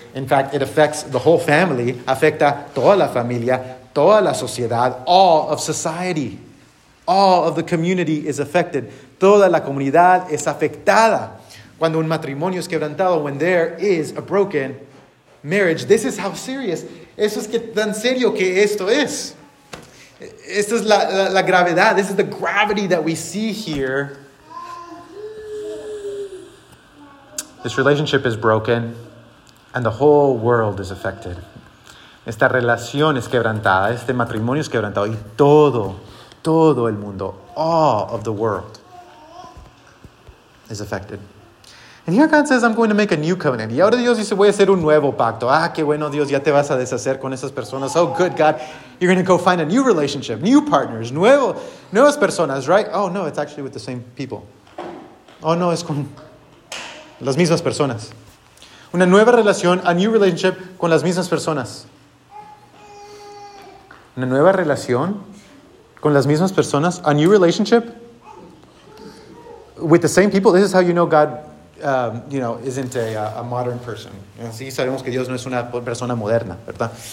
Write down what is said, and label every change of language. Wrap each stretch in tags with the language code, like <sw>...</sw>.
<en>In fact, it affects the whole family,</en> <es>afecta toda la familia, toda la sociedad,</es> <en>all of society. All of the community is affected.</en> <es>Toda la comunidad es afectada. Cuando un matrimonio es quebrantado,</es> <en>when there is a broken marriage, this is how serious.</en> <es>Eso es que tan serio que esto es. Esta es la gravedad.</es> <en>This is the gravity that we see here. This relationship is broken and the whole world is affected.</en> <es>Esta relación es quebrantada. Este matrimonio es quebrantado y todo el mundo,</es> <en>all of the world is affected. And here God says, I'm going to make a new covenant.</en> <es>Y ahora Dios dice, voy a hacer un nuevo pacto. Ah, qué bueno, Dios, ya te vas a deshacer con esas personas.</es> <en>Oh, good God, you're going to go find a new relationship, new partners,</en> <es>nuevas personas, right?</es> <en>Oh, no, it's actually with the same people.</en> <es>Oh, no, es con las mismas personas. Una nueva relación,</es> <en>a new relationship</en> <es>con las mismas personas. Una nueva relación con las mismas personas.</es> <en>A new relationship with the same people. This is how you know God, you know, isn't a modern person.</en> <es>Así sabemos que Dios no es una persona moderna, ¿verdad?</es>